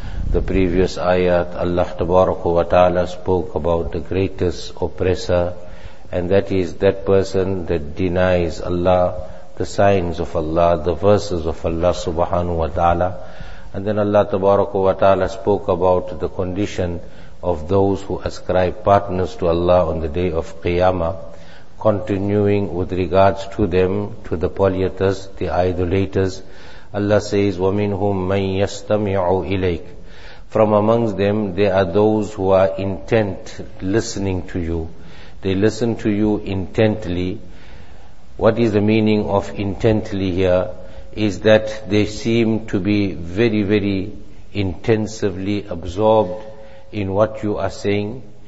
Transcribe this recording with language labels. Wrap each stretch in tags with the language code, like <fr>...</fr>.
<en>The previous ayat, Allah Tabaraka wa Ta'ala spoke about the greatest oppressor, and that is that person that denies Allah, the signs of Allah, the verses of Allah subhanahu wa ta'ala. And then Allah Tabaraka wa Ta'ala spoke about the condition of those who ascribe partners to Allah on the day of Qiyamah, continuing with regards to them, to the polyatists, the idolaters. Allah says,</en> <ar>وَمِنْهُمْ مَنْ يَسْتَمِعُ إِلَيْكَ.</ar> <en>From amongst them, there are those who are intent listening to you. They listen to you intently. What is the meaning of intently here? Is that they seem to be very, very intensively absorbed in what you are saying.</en>